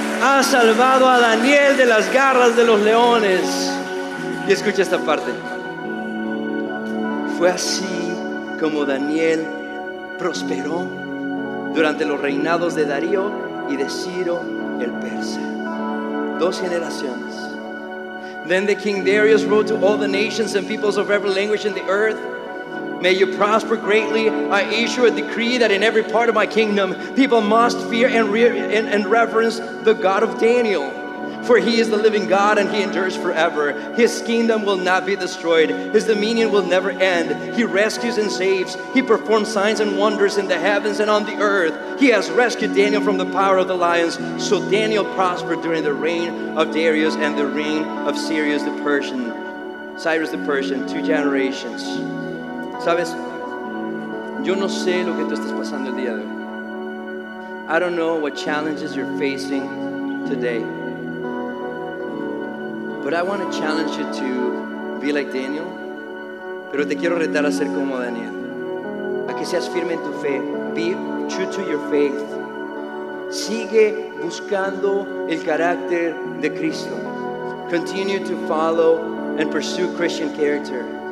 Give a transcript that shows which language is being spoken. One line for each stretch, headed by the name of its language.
Spanish: Ha salvado a Daniel de las garras de los leones. Y escucha esta parte. Fue así como Daniel prosperó durante los reinados de Darío y de Ciro el Persa. Dos generaciones.
English: Then the king Darius wrote to all the nations and peoples of every language in the earth, may you prosper greatly. I issue a decree that in every part of my kingdom, people must fear and reverence the God of Daniel. For he is the living God and he endures forever. His kingdom will not be destroyed. His dominion will never end. He rescues and saves. He performs signs and wonders in the heavens and on the earth. He has rescued Daniel from the power of the lions. So Daniel prospered during the reign of Darius and the reign of Cyrus the Persian, two generations.
Spanish: Sabes, yo no sé lo que tú estás pasando el día de hoy.
English: I don't know what challenges you're facing today. But I want to challenge you to be like Daniel.
Spanish: Pero te quiero retar a ser como Daniel. A que seas firme en tu fe.
English: Be true to your faith.
Spanish: Sigue buscando el carácter de Cristo.
English: Continue to follow and pursue Christian character.